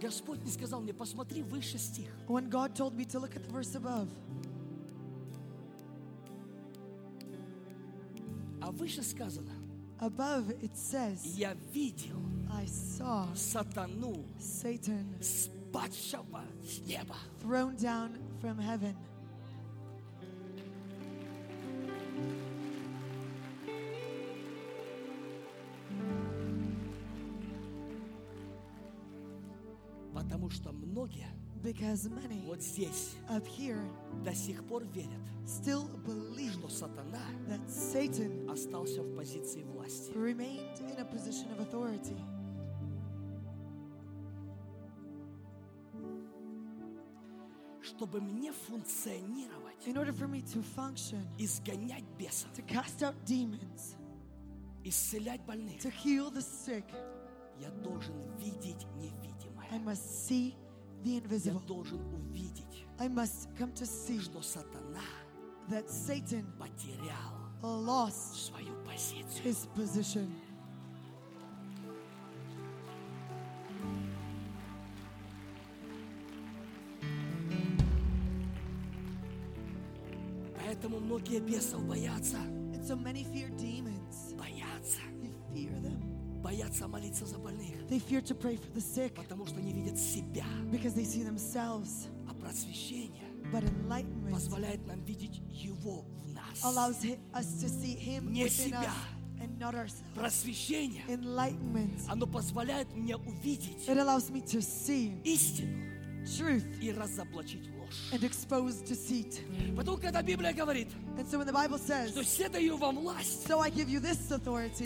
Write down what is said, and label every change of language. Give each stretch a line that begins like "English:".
Russian: Господь не сказал мне, посмотри выше стих.
English: When God told me to look at the verse above.
Russian: А выше сказано.
English: Above it says.
Russian: Я видел.
English: I saw.
Russian: Сатану.
English: Satan.
Russian: Спадшего с неба.
English: Thrown down from heaven.
Russian: Потому что многие
English: because many
Russian: вот здесь
English: up here
Russian: до сих пор верят
English: still believe
Russian: что сатана
English: that Satan
Russian: остался в позиции власти
English: remained in a position of authority.
Russian: Чтобы мне функционировать
English: in order for me to function
Russian: изгонять бесов
English: to cast out demons
Russian: исцелять больных
English: to heal the sick
Russian: я должен видеть невидимое.
English: I must see the invisible. I must come to see that Satan lost his position. And so many fear demons. They fear them.
Russian: Боятся молиться за больных.
English: They fear to pray for the sick.
Russian: Потому что они видят себя.
English: Because they see themselves.
Russian: А просвещение.
English: But enlightenment.
Russian: Позволяет нам видеть его в нас.
English: Allows us to see him
Russian: не себя.
English: Within us and not ourselves.
Russian: Просвещение.
English: Enlightenment.
Russian: Оно позволяет мне увидеть.
English: It allows me to see.
Russian: Истину.
English: Truth.
Russian: И разоблачить ложь.
English: And expose deceit.
Russian: Потом, когда Библия говорит.
English: And so when the Bible says,
Russian: что все даю вам власть,
English: so I give you this authority,